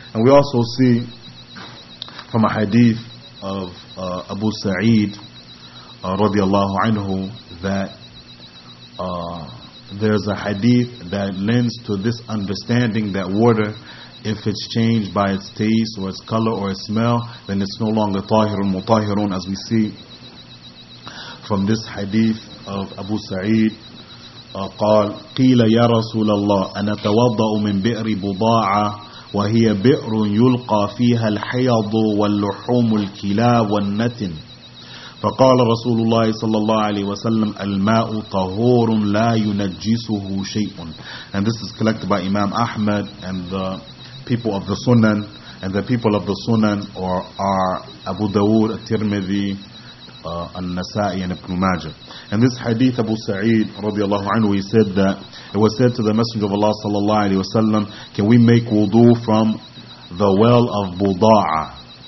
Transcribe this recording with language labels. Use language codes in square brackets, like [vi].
[en] And we also see from a hadith of Abu Sa'id radiallahu anhu that there's a hadith that lends to this understanding that water, if it's changed by its taste or its color or its smell, then it's no longer tahirun mutahirun, as we see from this hadith of Abu Sa'id. [ar] قال قيل يا رسول الله أنا توضأ من بئر بضاعة وهي بئر يلقى فيها الحيض واللحوم الكلاب والنتن فقال رسول الله صلى الله عليه وسلم الماء طهور لا ينجسه شيء. [en] And this is collected by Imam Ahmad and the people of the Sunan, and the people of the Sunan are Abu Dawood, At-Tirmidhi, An-Nasa'i, and Ibn Majah. And this hadith, Abu Sa'id radiallahu anhu, he said that it was said to the Messenger of Allah sallallahu alayhi wasallam, can we make wudu from the well of Buda'a?